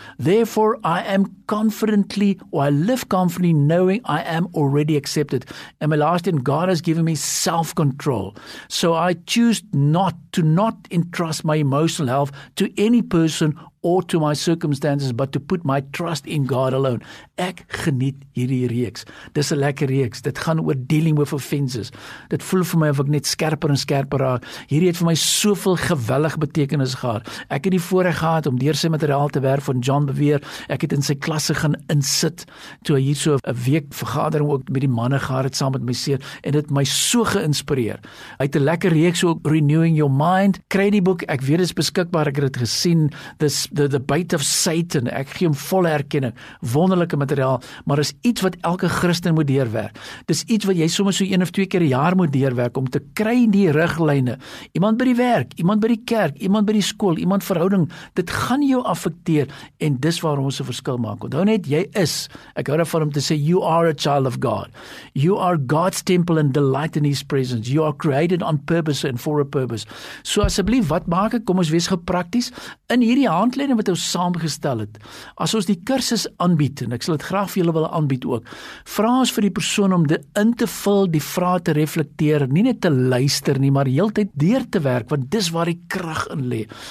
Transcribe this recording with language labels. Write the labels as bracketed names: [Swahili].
[English] Therefore, I am confidently, or I live confidently, knowing I am already accepted. And my last thing, God has given me self-control. So I choose not to entrust my emotional health to any person or to my circumstances, but to put my trust in God alone. [Afrikaans] Ek geniet hierdie reeks. Dis 'n lekker reeks. Dit gaan oor [English] dealing with offenses. [Afrikaans] Dit voel vir my of ek net skerper en skerper raak. Hierdie het vir my soveel geweldig betekenis gehad. Ek het die voorreg gehad om deur sy materiaal te werk van John Bevere. Ek het in sy klasse gaan insit, toe hy hier so 'n week vergadering ook met die manne gehad het, saam met my seer, en dit my so geïnspireer. Hy het 'n lekker reeks ook, Renewing Your Mind. Kry die boek, ek weet dit is beskikbaar, ek het dit gesien, the Bait of Satan, ek gee hom volle erkenning, wonderlike materiaal, maar is iets wat elke Christen moet deurwerk. Dis iets wat jy soms so een of twee keer een jaar moet deurwerk, om te kry die riglyne. Iemand by die werk, iemand by die kerk, iemand by die skool, iemand verhouding, dit gaan jou affekteer, en dis waar ons 'n verskil maak. Onthou net, jy is, ek hou daarvan om te sê, [English] you are a child of God. You are God's temple and delight in His presence. You are created on purpose and for a purpose. [Afrikaans] So asseblief, wat maak ek? Kom ons wees geprakties. In hierdie handleiding wat ons saamgestel het, as ons die kursus aanbied, en ek sal dit graag vir julle wil aanbied ook, vra ons vir die persoon om dit in te vul, die vraag te reflekteer, nie net te luister nie, maar heeltyd deur te werk, want dis waar die krag in lê.